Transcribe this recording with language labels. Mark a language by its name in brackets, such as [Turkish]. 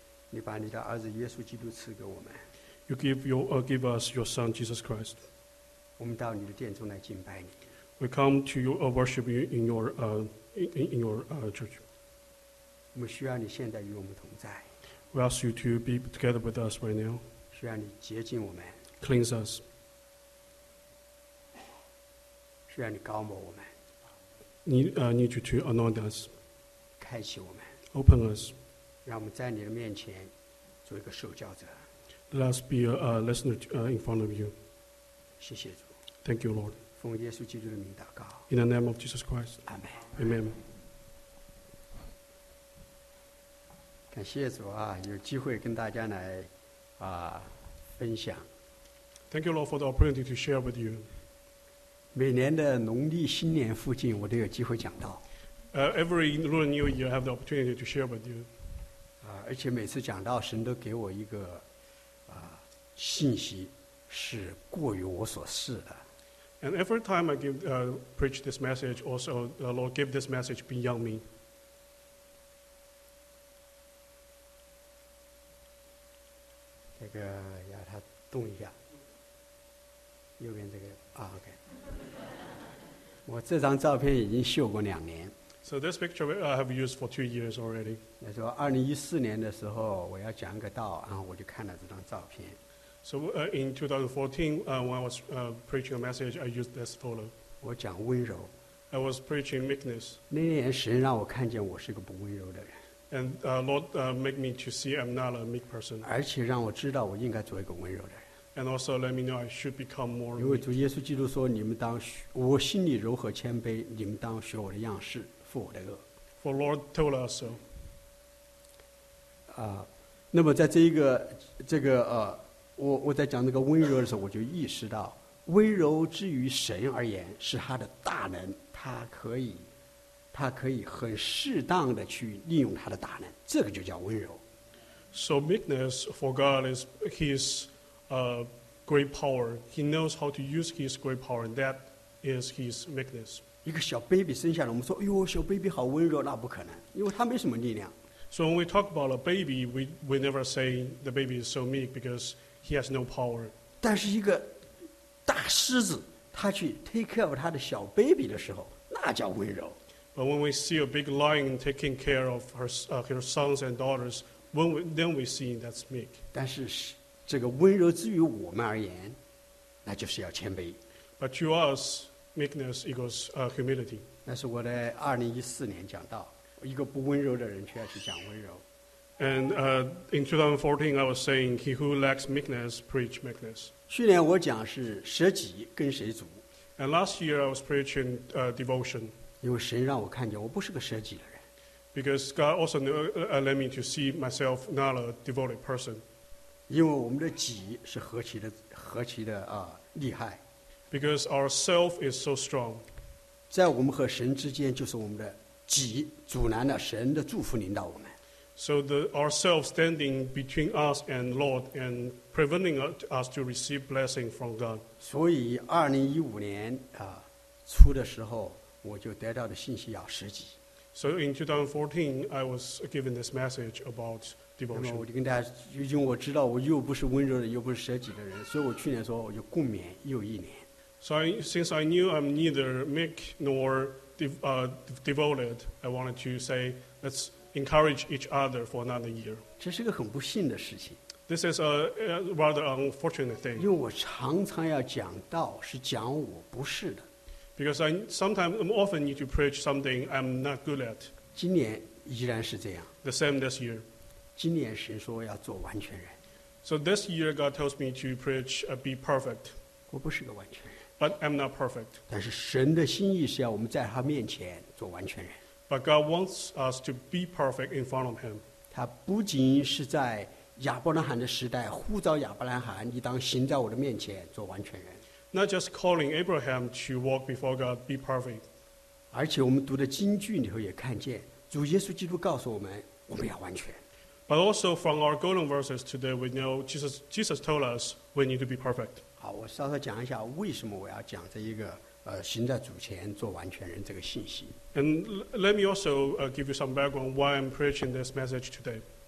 [Chinese] 你把你的儿子耶稣基督赐给我们。 [English] You give give us your Son, Jesus Christ. [Chinese] 我们到你的殿中来敬拜你。 [English] We come to you, worship you in your, church. [Chinese] 我们需要你现在与我们同在。 [English] We ask you to be together with us right now. [Chinese] 需要你洁净我们。 [English] Cleanse us. [Chinese] 需要你高抹我们。 [English] Need you to anoint us. [Chinese] 开启我们。 [English] Open us. [Chinese] 让我们在你的面前做一个受教者。 [English] Let us be a listener in front of you. [Chinese] 谢谢主。 [English] Thank you, Lord. [Chinese] 奉耶稣基督的名祷告。 [English] In the name of Jesus Christ. [Chinese] Amen. [English] Amen. [Chinese] 感谢主啊，有机会跟大家来啊分享。 [English] Thank you, Lord, for the opportunity to share with you. [Chinese] 每年的农历新年附近，我都有机会讲到。 [English] Every Lunar New Year, I have the opportunity to share with you. [Chinese] 啊，而且每次讲到，神都给我一个啊信息，是过于我所示的。 [English] And every time I give preach this message, also the Lord give this message beyond me. [Chinese] 这个要他动一下，右边这个啊 ，OK。我这张照片已经秀过两年。 [English] So this picture I have used for 2 years already. [Chinese] 那时候2014年的时候，我要讲个道，然后我就看了这张照片。 [English] So in 2014, when I was preaching a message, I used this photo. [Chinese] 我讲温柔。 [English] I was preaching meekness. [Chinese] 那年神让我看见我是个不温柔的人。 [English] And Lord, make me to see I'm not a meek person. [Chinese] 而且让我知道我应该做一个温柔的人。 [English] And also let me know I should become more. [Chinese] 因为主耶稣基督说，你们当学我心里柔和谦卑，你们当学我的样式，负我的轭。 [English] For Lord told us so. [Chinese] 啊，那么在这个我在讲这个温柔的时候，我就意识到，温柔之于神而言是他的大能，他可以很适当的去利用他的大能，这个就叫温柔。 [English] So meekness for God is His great power. He knows how to use His great power, and that is His meekness. [Chinese] 一个小 baby 生下来，我们说，哎呦，小 baby 好温柔，那不可能，因为他没什么力量。 [English] So when we talk about a baby, we never say the baby is so meek because he has no power. [Chinese] 但是一个大狮子，他去 [English] take care of [Chinese] 他的小 baby 的时候，那叫温柔。 [English] But when we see a big lion taking care of her sons and daughters, then we see that's meek. [Chinese] 但是这个温柔之于我们而言，那就是要谦卑。 [English] But to us, meekness equals humility. [Chinese] 那是我在2014年讲到，一个不温柔的人却要去讲温柔。 [English] And in 2014, I was saying, he who lacks meekness preach meekness. [Chinese] 去年我讲是舍己跟谁主。 [English] And last year I was preaching devotion. [Chinese] 因为神让我看见我不是个舍己的人。 [English] Because God also let me to see myself not a devoted person. [Chinese] 因为我们的己是何其的厉害。 [English] Because our self is so strong. [Chinese] 在我们和神之间就是我们的己阻拦了神的祝福临到我们。 [English] So the ourself standing between us and Lord and preventing us to receive blessing from God. [Chinese] 所以2015年初的时候。我就得到的信息要舍己。 [English] So in 2014, I was given this message about devotion. [Chinese] 那么我就跟大家，因为我知道我又不是温柔的，又不是舍己的人，所以我去年说我就共勉又一年。 [English] So since I knew I'm neither meek nor devoted, I wanted to say let's encourage each other for another year. [Chinese] 这是个很不幸的事情。 [English] This is a rather unfortunate thing. [Chinese] 因为我常常要讲道，是讲我不是的。 [English] Because I sometimes I'm often need to preach something I'm not good at. [Chinese] 今年依然是这样。 [English] The same this year. [Chinese] 今年神说要做完全人。 [English] So this year God tells me to preach be perfect. [Chinese] 我不是个完全人。 [English] But I'm not perfect. [Chinese] 但是神的心意是要我们在他面前做完全人。 [English] But God wants us to be perfect in front of Him. [Chinese] 他不仅是在亚伯拉罕的时代呼召亚伯拉罕，你当行在我的面前做完全人。 [English] Not just calling Abraham to walk before God, be perfect. [Chinese] 而且我们读的经句里头也看见，主耶稣基督告诉我们，我们要完全。 [English] But also from our golden verses today, we know Jesus told us we need to be perfect. [Chinese] 好，我稍稍讲一下为什么我要讲这一个行在主前做完全人这个信息。 [English] And let me also give you some background why I'm preaching this message today.